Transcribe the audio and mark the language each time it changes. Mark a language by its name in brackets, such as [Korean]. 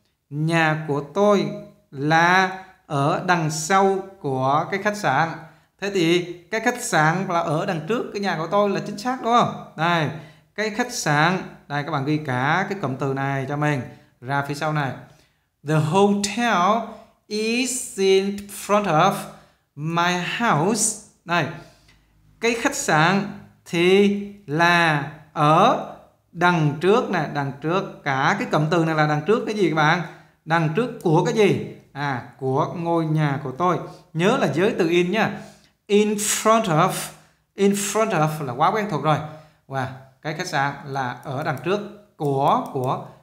[Vietnamese] Nhà của tôi là ở đằng sau của cái khách sạn. Thế thì cái khách sạn là ở đằng trước cái nhà của tôi là chính xác đúng không? Đây, cái khách sạn, đây các bạn ghi cả cái cụm từ này cho mình ra phía sau này. [English] The hotel is in front of my house. [Vietnamese] Đây, cái khách sạn thì là ở đằng trước nè, đằng trước cả cái cụm từ này là đằng trước cái gì các bạn? Đằng trước của cái gì? À, của ngôi nhà của tôi. Nhớ là giới từ in nha. [English] In front of [Vietnamese] là quá quen thuộc rồi. Và cái khách sạn là ở đằng trước của